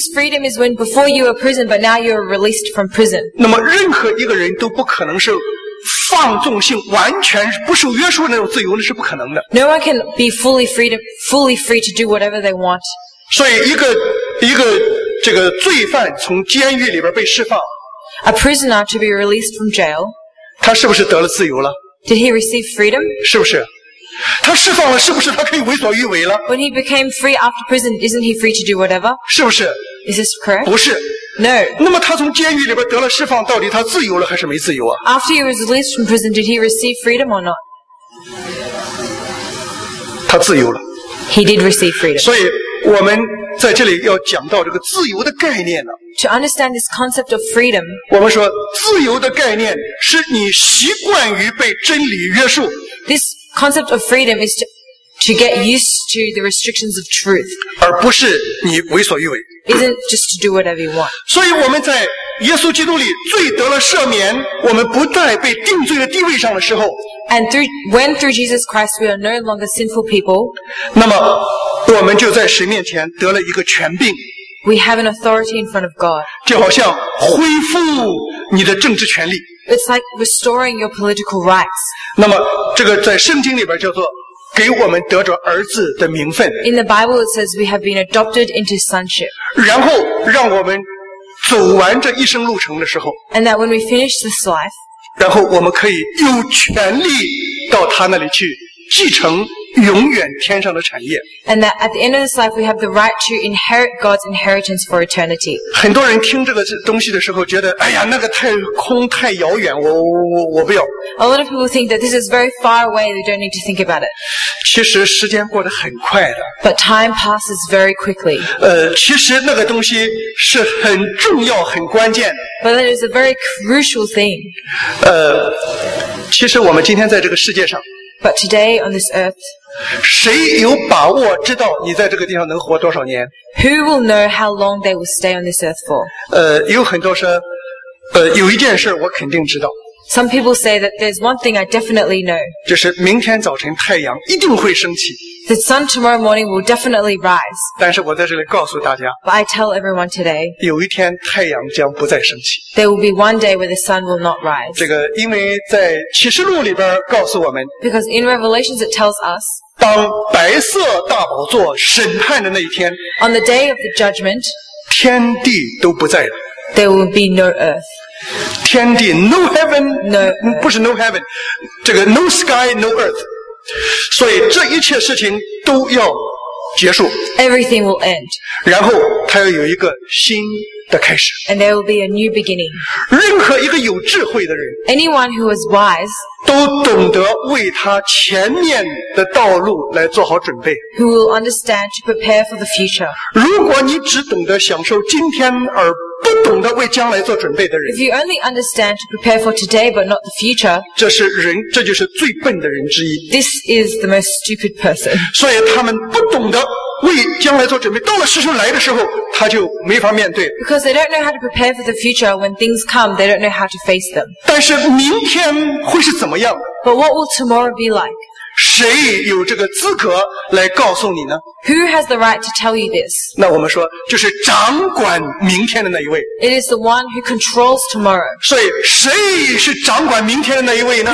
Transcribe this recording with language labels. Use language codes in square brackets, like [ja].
[en] This freedom is when before you were prison, but now you are released from prison. [zh] 那么任何一个人都不可能是放纵性、完全不受约束的那种自由，那是不可能的。 [en] No one can be fully free to do whatever they want. [zh] 所以一个这个罪犯从监狱里边被释放 [en] ，A prisoner to be released from jail. [zh] 他是不是得了自由了 [en] ？Did he receive freedom？ [zh] 是不是？他释放了，是不是他可以为所欲为了 [en] ？When he became free after prison, isn't he free to do whatever？ [zh] 是不是 [en] ？Is this correct？ [zh] 不是。 [en] No。 [zh] 那么他从监狱里边得了释放，到底他自由了还是没自由啊 [en] ？After he was released from prison, did he receive freedom or not？ [zh] 他自由了。 [en] He did receive freedom。 [zh] 所以我们在这里要讲到这个自由的概念呢。 [en] To understand this concept of freedom, [zh] 我们说自由的概念是你习惯于被真理约束。 [en] This concept of freedom is to get used to the restrictions of truth, [zh] 而不是你为所欲为。 [en] Isn't just to do whatever you want. [zh] 所以我们在耶稣基督里罪得了赦免，我们不再被定罪的地位上的时候。 [en] And through Jesus Christ, we are no longer sinful people. [zh] 那么我们就在神面前得了一个权柄。 [en] We have an authority in front of God. [zh] 就好像恢复你的政治权利。 [en] It's like restoring your political rights. [zh] 那么这个在圣经里边叫做给我们得着儿子的名分。 [en] In the Bible it says we have been adopted into sonship. [zh] 然后让我们走完这一生路程的时候。 [en] And that when we finish this life. [zh] 然后我们可以有权利到他那里去继承永远天上的产业。 [en] And that at the end of this life, we have the right to inherit God's inheritance for eternity. [zh] 很多人听这个东西的时候，觉得哎呀，那个太空太遥远，我不要。 [en] A lot of people think that this is very far away. They don't need to think about it. [zh] 其实时间过得很快的。 [en] But time passes very quickly. [zh] 其实那个东西是很重要、很关键。 [en] But it is a very crucial thing. [zh] 其实我们今天在这个世界上。 [en] But today on this earth, [zh] 谁有把握知道你在这个地方能活多少年 [en] ？Who will know how long they will stay on this earth for？ [zh] 有很多说，有一件事我肯定知道。 [en] Some people say that there's one thing I definitely know. [zh] 就是明天早晨太阳一定会升起。 [en] The sun tomorrow morning will definitely rise. [zh] 但是我在这里告诉大家 [en] ，But I tell everyone today， [zh] 有一天太阳将不再升起。 [en] There will be one day where the sun will not rise. [zh] 这个因为在启示录里边告诉我们 [en] ，Because in Revelations it tells us， [zh] 当白色大宝座审判的那一天 [en] ，On the day of the judgment， [zh] 天地都不在了。 [en] There will be no earth. [zh] 天地 [en] no heaven, no, [zh] 不是 [en] no heaven, 这个 no sky, no earth. [zh] 所以这一切事情都要结束。 [en] Everything will end. [zh] 然后它要有一个新的开始。 [en] And there will be a new beginning. [zh] 任何一个有智慧的人 [en] Anyone who is wise, [zh] 都懂得为他前面的道路来做好准备。 [en] Who will understand to prepare for the future. [zh] 如果你只懂得享受今天而不懂得为将来做准备的人 [en] If you only understand to prepare for today but not the future [zh] 这就是最笨的人之一 [en] This is the most stupid person [zh] 所以他们不懂得为将来做准备到了事情来的时候他就没法面对 [en] Because they don't know how to prepare for the future when things come they don't know how to face them [zh] 但是明天会是怎么样 [en] But what will tomorrow be like? [zh] 谁有这个资格来告诉你呢 [en] Who has the right to tell you this? [zh] 那我们说就是掌管明天的那一位。 [en] It is the one who controls tomorrow. [zh] 所以谁是掌管明天的那一位呢